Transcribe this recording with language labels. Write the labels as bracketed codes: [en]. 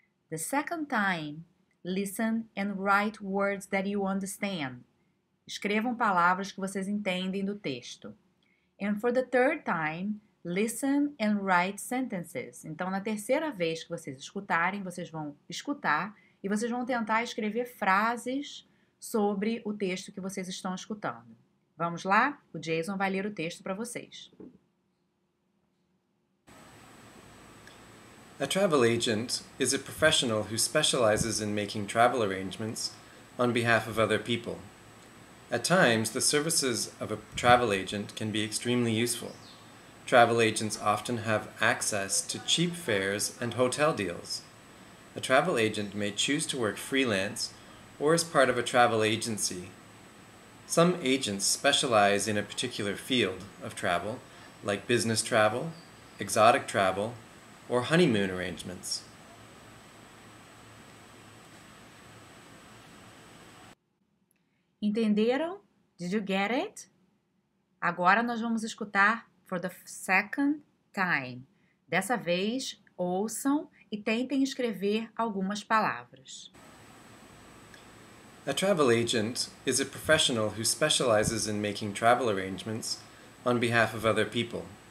[en] The second time, listen and write words that you understand. [pt] Escrevam palavras que vocês entendem do texto. [en] And for the third time, listen and write sentences. [pt] Então, na terceira vez que vocês escutarem, vocês vão escutar e vocês vão tentar escrever frases sobre o texto que vocês estão escutando. Vamos lá? O Jason vai ler o texto para vocês. [en] A travel agent is a professional who specializes in making travel arrangements on behalf of other people. At times, the services of a travel agent can be extremely useful. Travel agents often have access to cheap fares and hotel deals. A travel agent may choose to work freelance or as part of a travel agency. Some agents specialize in a particular field of travel, like business travel, exotic travel, or honeymoon arrangements. [pt] Entenderam? [en] Did you get it? [pt] Agora nós vamos escutar [en] for the second time. [pt] Dessa vez, ouçam e tentem escrever algumas palavras. [en] A travel agent is a professional who specializes in making travel arrangements on behalf of other people.